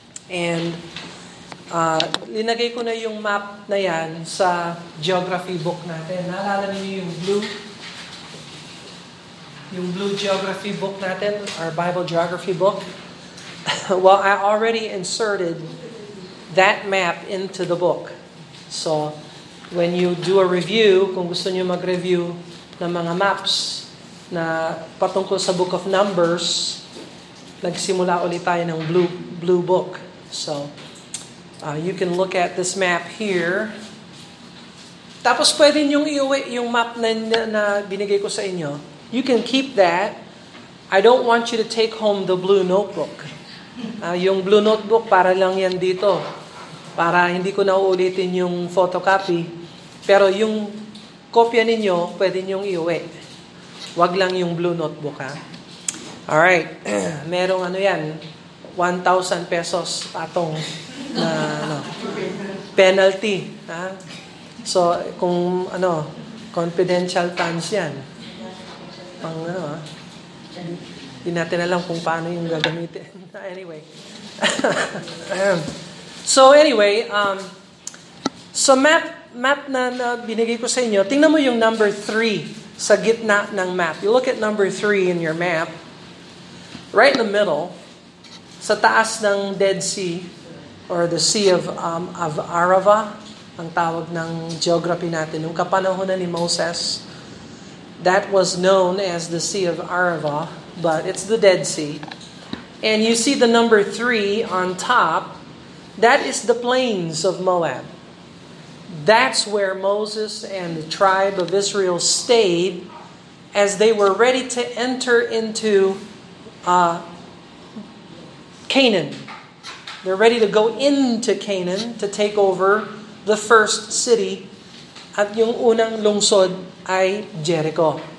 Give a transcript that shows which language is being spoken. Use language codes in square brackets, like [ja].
[tl] And linagay ko na yung map na yan sa geography book natin. Naalala ninyo yung blue? Yung blue geography book natin, [en] our Bible geography book. Well, I already inserted that map into the book. So, when you do a review, [tl] kung gusto niyo mag-review ng mga maps na patungkol sa Book of Numbers, nagsimula ulit tayo ng blue book. [en] So, you can look at this map here. [tl] Tapos pwede niyong iuwi yung map na binigay ko sa inyo. [en] You can keep that. I don't want you to take home the blue notebook. [tl] Yung blue notebook, para lang yan dito. Para hindi ko na uulitin yung photocopy. Pero yung kopya ninyo, pwede niyong iuwi. Wag lang yung blue notebook, ha? All right, merong ano yan, 1,000 pesos atong penalty. Ha? So, kung ano, confidential funds yan. Pang ano, ha? Hindi natin alam kung paano yung gagamitin. Anyway. So anyway, so map na binigay ko sa inyo, tingnan mo yung number 3 sa gitna ng map. [en] You look at number 3 in your map. Right in the middle, [tl] sa taas ng Dead Sea, or the Sea of Arava, ang tawag ng geography natin. Nung kapanahon na ni Moses, [en] that was known as the Sea of Arava, but it's the Dead Sea. And you see the number 3 on top, that is the plains of Moab. That's where Moses and the tribe of Israel stayed as they were ready to enter into Canaan. They're ready to go into Canaan to take over the first city. [tl] At yung unang lungsod ay Jericho.